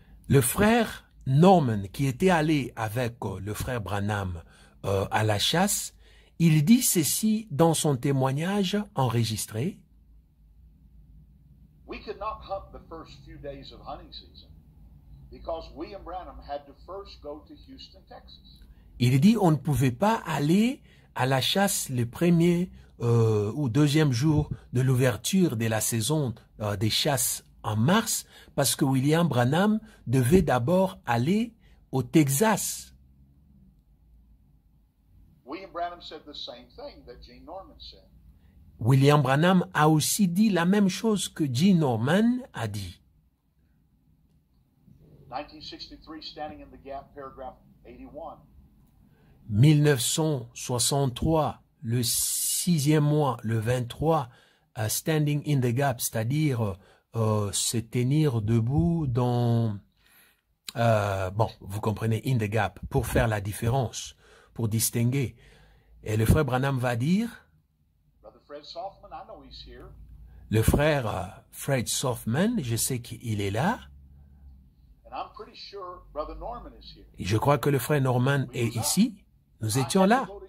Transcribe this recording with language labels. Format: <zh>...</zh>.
<fr>Le frère Norman, qui était allé avec le frère Branham à la chasse, il dit ceci dans son témoignage enregistré.</fr> <en>We could not hunt the first few days of hunting season. Because William Branham had to first go to Houston, Texas.</en> <fr>Il dit on ne pouvait pas aller à la chasse le premier ou deuxième jour de l'ouverture de la saison des chasses en mars parce que William Branham devait d'abord aller au Texas.</fr> <en>William Branham said the same thing that Gene Norman said.</en> <fr>William Branham a aussi dit la même chose que Gene Norman a dit.</fr> <en>1963, standing in the gap, paragraph 81.</en> <fr>1963, le sixième mois, le 23,</fr> <en>standing in the gap,</en> <fr>c'est-à-dire se tenir debout dans... vous comprenez,</fr> <en>in the gap,</en> <fr>pour faire la différence, pour distinguer. Et le frère Branham va dire...</fr> <en>Brother Fred Softman, I know he's here.</en> <fr>Le frère Fred Softman, je sais qu'il est là.</fr> <en>And I'm pretty sure Brother Norman is here.</en> <fr>Et je crois que le frère Norman est ici. Nous étions là.</fr>